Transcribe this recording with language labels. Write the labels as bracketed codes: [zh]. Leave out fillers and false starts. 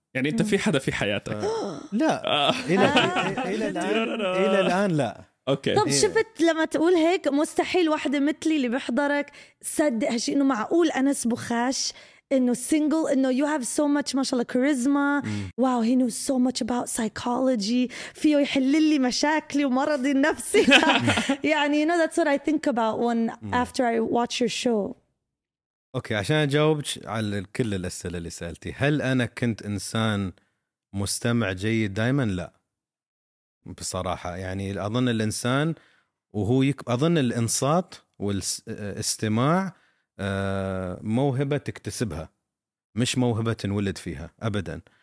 [ar] يعني أنت في حدا في حياتك؟ لا إلى الآن لا. أوكي. طب شفت لما تقول هيك مستحيل واحدة مثلي اللي بحضرك صدق هالشيء، أنه معقول أنس بخاش إنه single، إنه [en] you have so much [ar] ما شاء الله charisma. [en] Wow, he knows so much about psychology. [ar] فيه يحللي مشاكلي ومرضي النفسي. [en] يعني you know that's what I think about when after I watch your show. [ar] أوكي عشان أجاوبك على كل الأسئلة اللي سألتي، هل أنا كنت إنسان مستمع جيد دائما؟ لا بصراحة، يعني أظن الإنسان وهو أظن الإنصات والاستماع موهبة تكتسبها مش موهبة تنولد فيها أبدا.